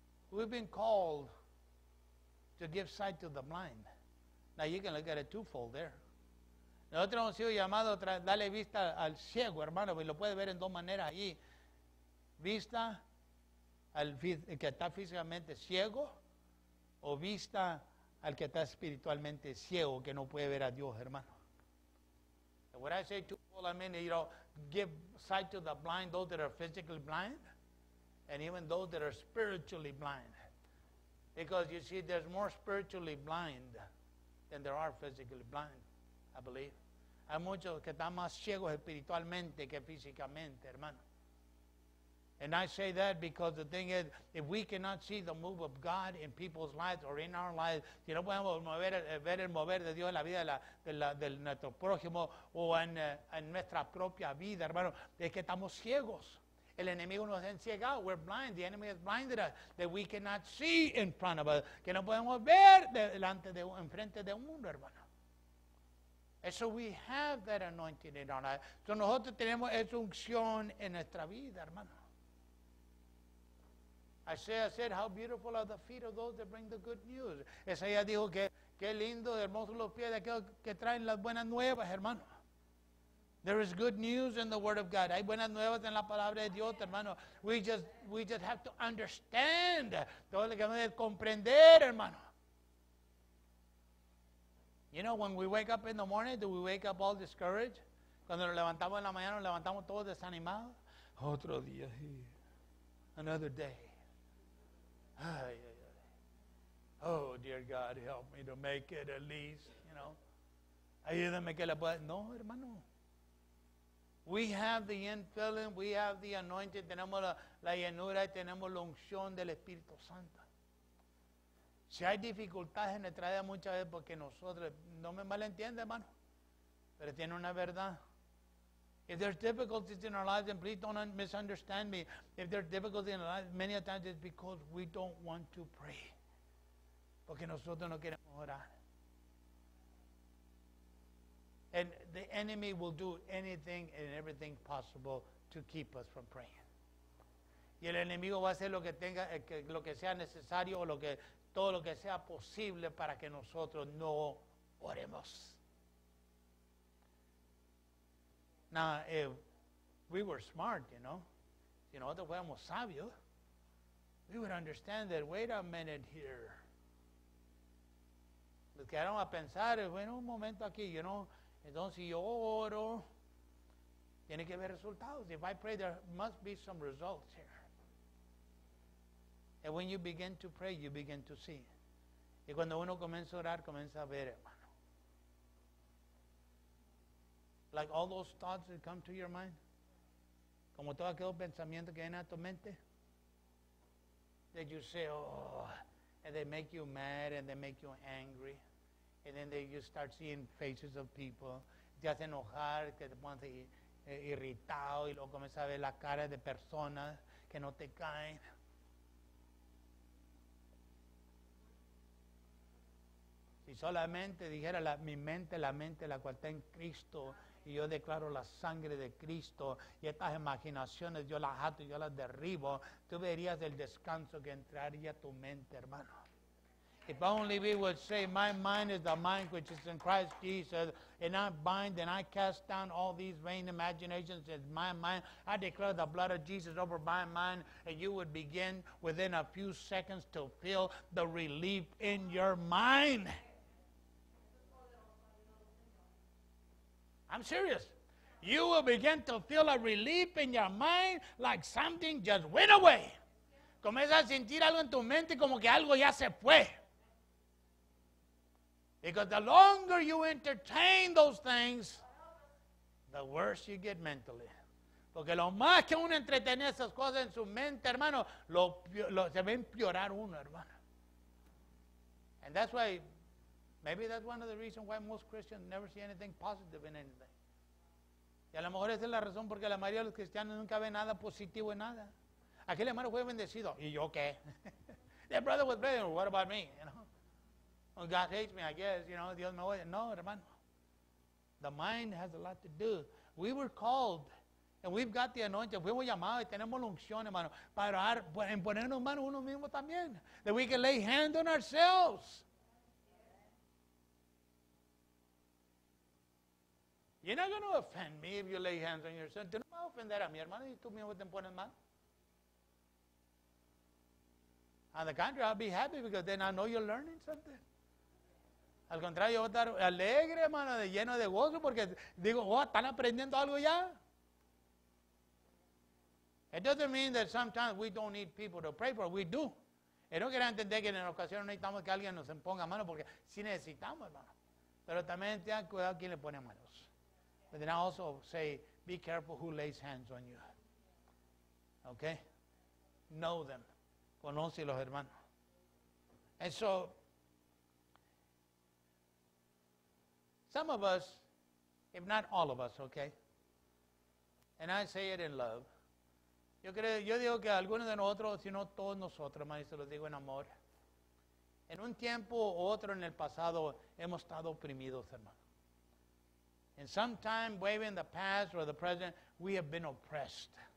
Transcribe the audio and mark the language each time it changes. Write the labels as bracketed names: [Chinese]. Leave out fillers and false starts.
[English] We've been called to give sight to the blind. Now you can look at it twofold there. [Spanish] Nosotros hemos sido llamados a darle vista al ciego, hermano, y lo puede ver en dos maneras ahí. Vista al que está físicamente ciego o vista al que está espiritualmente ciego, que no puede ver a Dios, hermano. [English] And when I say twofold, I mean, you know, give sight to the blind, those that are physically blind, and even those that are spiritually blind. Because you see, there's more spiritually blind than there are physically blind, I believe. [Spanish] Hay muchos que están más ciegos espiritualmente que físicamente, hermano. [English] And I say that because the thing is, if we cannot see the move of God in people's lives or in our lives, [Spanish] si no podemos mover, ver el mover de Dios en la vida de nuestro prójimo o en nuestra propia vida, hermano, es que estamos ciegos. El enemigo nos ha enciegado. [English] We're blind. The enemy has blinded us that we cannot see in front of us. [Spanish] Que no podemos ver delante de, en frente de uno, hermano. [English] And so we have that anointing in our life. [Spanish] So nosotros tenemos esa unción en nuestra vida, hermano. [English] Isaiah said, how beautiful are the feet of those that bring the good news. [Spanish] Isaiah dijo que qué lindo, hermoso los pies de aquellos que traen las buenas nuevas, hermano. [English] There is good news in the word of God. [Spanish] Hay buenas nuevas en la palabra de Dios, hermano. [English] We just have to understand. [Spanish] Todo lo que hemos de comprender, hermano. [English] You know, when we wake up in the morning, do we wake up all discouraged? [Spanish] Cuando nos levantamos en la mañana, nos levantamos todos desanimados. Otro día. [English] Another day. [Spanish] Ay, ay, ay. [English] Oh, dear God, help me to make it at least, you know. [Spanish] Ayúdame que la pueda. No, hermano. [English] We have the infilling, we have the anointing, [Spanish] tenemos la llenura y tenemos la unción del Espíritu Santo. Si hay dificultades en nuestra vida muchas veces porque nosotros, no me malentiende, hermano, pero tiene una verdad. [English] If there's difficulties in our lives, then please don't misunderstand me. If there's difficulties in our lives, many a times it's because we don't want to pray. [Spanish] Porque nosotros no queremos orar. [English] And the enemy will do anything and everything possible to keep us from praying. [Spanish] Y el enemigo va a hacer lo que sea necesario o todo lo que sea posible para que nosotros no oremos. [English] Now, if we were smart, you know, [Spanish] si nosotros fuéramos sabios, [English] we would understand that, wait a minute here. [Spanish] Nos quedaron a pensar, bueno, un momento aquí, you know, entonces yo oro, tiene que haber resultados. [English] If I pray, there must be some results here. And when you begin to pray, you begin to see. [Spanish] Y cuando uno comienza a orar, comienza a ver, hermano. [English] Like all those thoughts that come to your mind, [Spanish] como todo aquel pensamiento que viene a tu mente, [English] that you say, oh, and they make you mad, and they make you angry, and then you start seeing faces of people, [Spanish] te hace enojar, que te pones irritado, y luego comienza a ver las caras de personas que no te caen. Si solamente dijera mi mente, la cual está en Cristo, y yo declaro la sangre de Cristo, y estas imaginaciones yo las ato y yo las derribo, tú verías el descanso que entraría a tu mente, hermano. [English] If only we would say, my mind is the mind which is in Christ Jesus, and I bind and I cast down all these vain imaginations in my mind, I declare the blood of Jesus over my mind, and you would begin within a few seconds to feel the relief in your mind. I'm serious. You will begin to feel a relief in your mind like something just went away. [Spanish] Comienza a sentir algo en tu mente como que algo ya se fue. [English] Because the longer you entertain those things, the worse you get mentally. [Spanish] Porque lo más que uno entretiene esas cosas en su mente, hermano, se va a empeorar uno, hermano. [English] And that's why, maybe that's one of the reasons why most Christians never see anything positive in anything. [Spanish] Y a lo mejor esa es la razón porque la mayoría de los cristianos nunca ven nada positivo en nada. Aquel hermano fue bendecido. ¿Y yo qué? [English] That brother was praying, what about me? You know? Well, God hates me, I guess, you know, [Spanish] Dios me oye. No, hermano. [English] The mind has a lot to do. We were called. And we've got the anointing. [Spanish] Fuimos llamados y tenemos la unción, hermano, para orar, en ponernos manos uno mismo también. [English] That we can lay hands on ourselves. You're not going to offend me if you lay hands on yourself. [Spanish] Tú no vas a ofender a mi hermano y tú mismo te pones mano. [English] On the contrary, I'll be happy because then I know you're learning something. [Spanish] Al contrario, yo voy a estar alegre, hermano, de lleno de gozo porque digo, oh, están aprendiendo algo ya. [English] It doesn't mean that sometimes we don't need people to pray for. We do. [Spanish] Y no quiero entender que en ocasiones necesitamos que alguien nos ponga mano porque sí necesitamos, hermano. Pero también tengan cuidado quién le pone manos. [English] But then I also say, be careful who lays hands on you. Okay? Know them. [Spanish] Conoce los hermanos. [English] And so, some of us, if not all of us, okay? And I say it in love. [Spanish] Yo digo que algunos de nosotros, si no todos nosotros, hermano, y se los digo en amor, en un tiempo u otro en el pasado hemos estado oprimidos, hermano. [English] In some time, maybe in the past or the present, we have been oppressed.